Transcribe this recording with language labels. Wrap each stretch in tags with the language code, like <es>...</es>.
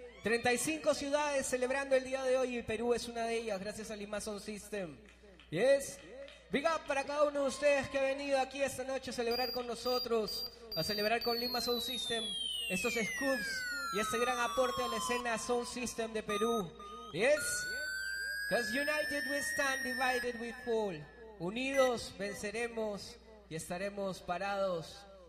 <es>35 ciudades celebrando el día de hoy, y Perú es una de ellas, gracias a Lima Sound System.</es> <en>Yes, big up</en> <es>para cada uno de ustedes que ha venido aquí esta noche a celebrar con nosotros, a celebrar con Lima Sound System, estos scoops y este gran aporte a la escena Sound System de Perú.</es> <en>Yes, because united we stand, divided we fall.</en> <es>Unidos venceremos y estaremos parados.</es>